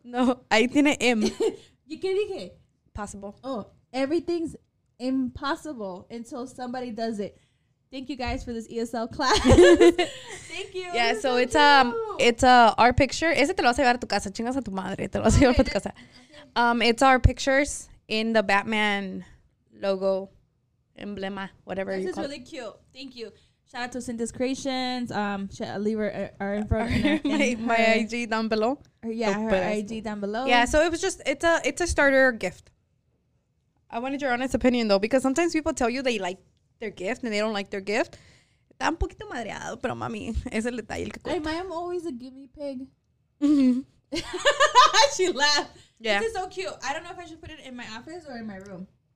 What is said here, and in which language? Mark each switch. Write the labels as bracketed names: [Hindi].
[Spanish] No, ahí tiene M. ¿Y qué dije? [English] Possible. Oh, everything's impossible until somebody does it. Thank you guys for this ESL class. Thank you. Yeah, so it's our picture. [Spanish] Ese te lo vas a llevar a tu casa. Chingas a tu madre. Te lo vas a llevar a tu casa. [English] It's our pictures in the Batman logo, emblema, whatever you call it. This is really cute. Thank you. Shout out to Cynthia's Creations. Leave her info in my IG down below. IG down below. Yeah, so it was just, it's a starter gift. I wanted your honest opinion, though, because sometimes people tell you they like their gift and they don't like their gift. [Spanish] Está un poquito madreado, pero mami, es el detalle que cuenta. [English] My mom always a guinea pig. She laughed. Yeah. This is so cute. I don't know if I should put it in my office or in my room.